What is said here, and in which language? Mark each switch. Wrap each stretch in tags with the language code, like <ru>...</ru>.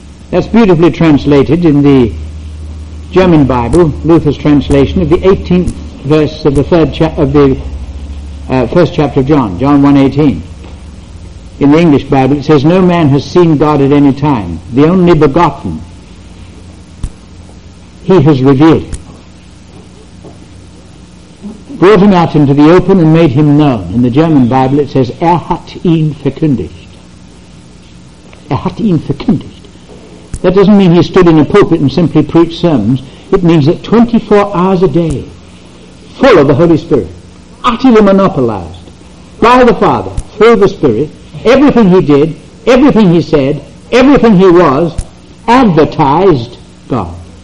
<en>That's beautifully translated in the German Bible, Luther's translation of the 18th verse of the first chapter of John, John 1:18. In the English Bible, it says, no man has seen God at any time. The only begotten, he has revealed him, brought him out into the open and made him known. In the German Bible, it says,</en> <de>er hat ihn verkündigt. Er hat ihn verkündigt.</de> <en>That doesn't mean he stood in a pulpit and simply preached sermons. It means that 24 hours a day, full of the Holy Spirit, utterly monopolized by the Father, through the Spirit, everything he did, everything he said, everything he was, advertised God.</en>